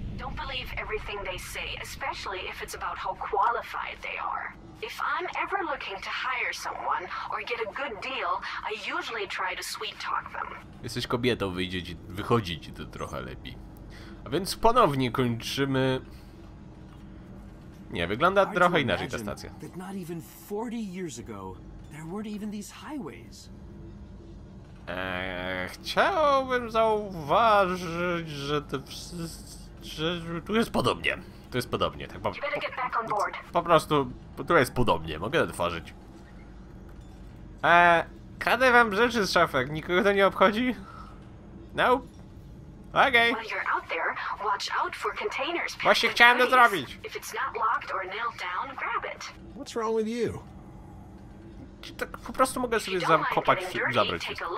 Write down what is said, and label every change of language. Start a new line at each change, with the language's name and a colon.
English: Don't believe everything they say, especially if it's about how qualified they are. If I'm ever looking to hire someone or get a good deal, I usually try to sweet talk them.
Polish: Jesteś kobietą, wychodzi ci to trochę lepiej. A więc ponownie kończymy. Nie, wygląda trochę inaczej ta stacja.
English: That not even 40 years ago, there weren't even these highways.
Polish: Chciałbym zauważyć, że to wszystko. Tu jest podobnie. Tu jest podobnie, tak po prostu. Tu jest podobnie, mogę otworzyć. Kradę wam rzeczy z szafek, nikogo to nie obchodzi?
English: Nope. Okay. While you're out there, watch out for containers.
Polish: Właśnie chciałem to zrobić.
English: If it's not locked or nailed down, grab it. What's wrong with you?
Polish: Tak po prostu mogę sobie zakopać i zabrać.